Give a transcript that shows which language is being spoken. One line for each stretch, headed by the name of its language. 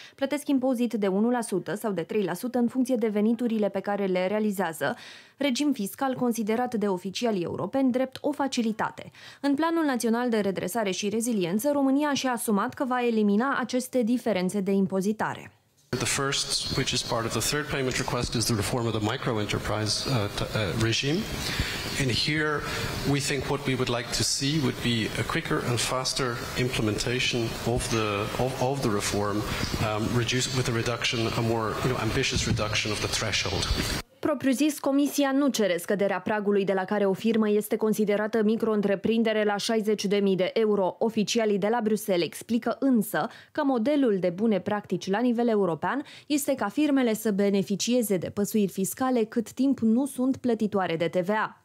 Romanian: Plătesc impozit de 1% sau de 3% în funcție de veniturile pe care le realizează. Regim fiscal considerat de oficialii europeni drept o facilitate. În Planul Național de Redresare și Reziliență, România și-a asumat că va elimina aceste diferențe de impozitare.
English: The first, which is part of the third payment request, is the reform of the micro-enterprise regime. And here we think what we would like to see would be a quicker and faster implementation of the reform, reduce with a reduction, a more ambitious reduction of the threshold.
Romanian: propriu-zis, Comisia nu cere scăderea pragului de la care o firmă este considerată micro-întreprindere la 60.000 de euro. Oficialii de la Bruxelles explică însă că modelul de bune practici la nivel european este ca firmele să beneficieze de păsuiri fiscale cât timp nu sunt plătitoare de TVA.